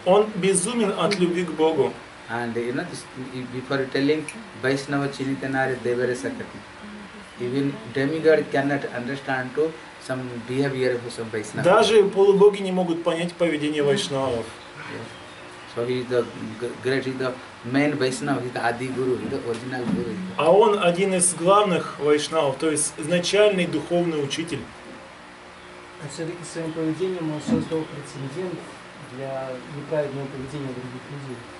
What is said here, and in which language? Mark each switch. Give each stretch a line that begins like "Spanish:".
Russian: Он безумен от любви к Богу.
English: And you know, this, before telling Vaishnava Chinitanari Devare Sakati. Even demigod cannot understand to some behavior of some Vaishnava.
Russian: Даже полубоги не могут понять поведение вайшнавов.
English: So he is the great, he is the main Vaishnava, he is the Adi Guru, he is the original Guru.
Russian: А он один из главных вайшнавов, то есть изначальный духовный учитель. А все-таки своим поведением он создал прецедент для неправильного поведения других людей.